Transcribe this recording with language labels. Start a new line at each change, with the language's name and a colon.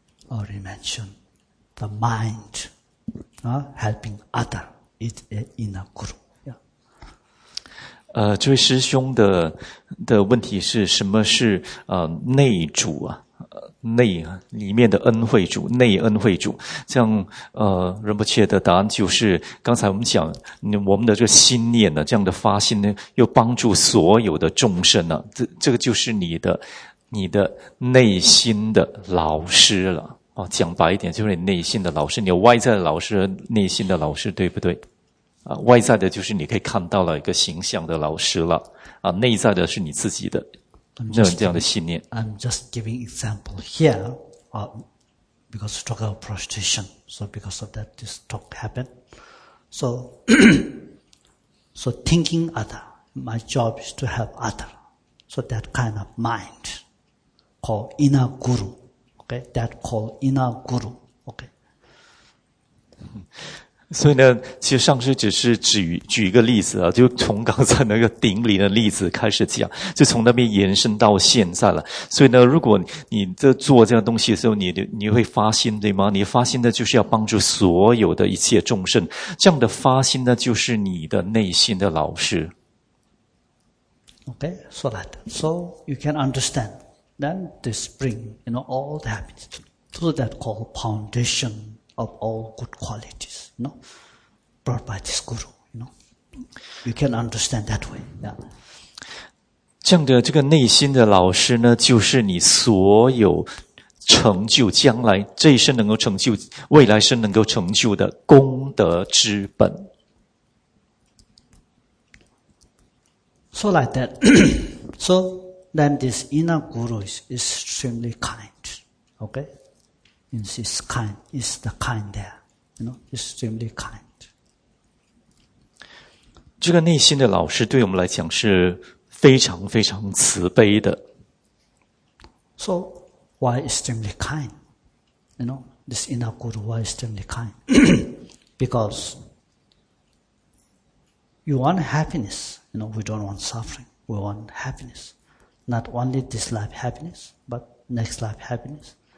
English: Already mentioned the mind, helping other is an inner guru.
Chinese: 这位师兄的问题是什么是内主啊？内里面的恩惠主，内恩惠主。像仁波切的答案就是刚才我们讲我们的这个心念呢，这样的发心呢，又帮助所有的众生呢，这个就是你的内心的老师了。讲白一点，就是你内心的老师，你外在的老师，内心的老师，对不对？外在的就是你可以看到了一个形象的老师了，内在的是你自己的这样的信念。
English: I'm just giving example here, because struggle of prostitution, so because of that this talk happened. So thinking other, my job is to help other. So that kind of mind called inner guru, okay? That called inner guru, okay?
Chinese: 所以呢，其实上师只是举一个例子啊，就从刚才那个顶礼的例子开始讲，就从那边延伸到现在了。所以呢，如果你在做这样东西的时候，你会发心对吗？你发心的就是要帮助所有的一切众生，这样的发心呢，就是你的内心的老师。
English: Okay, so that so you can understand then this bring you know all the habits to that called foundation. Of all good qualities, you know, brought by this guru, you know, you can understand that way. Yeah.
Chinese: 这样的这个内心的老师呢，就是你所有成就将来这一生能够成就，未来生能够成就的功德之本。
English: So like that. So then, this inner guru is extremely kind. Okay. Means it's kind, it's the kind there, you know, extremely kind.
Chinese: 这个内心的老师对我们来讲是非常非常慈悲的。
English: So, why extremely kind? You know, this inner guru, why extremely kind? Because you want happiness, you know, we don't want suffering, we want happiness. Not only this life happiness, but next life happiness.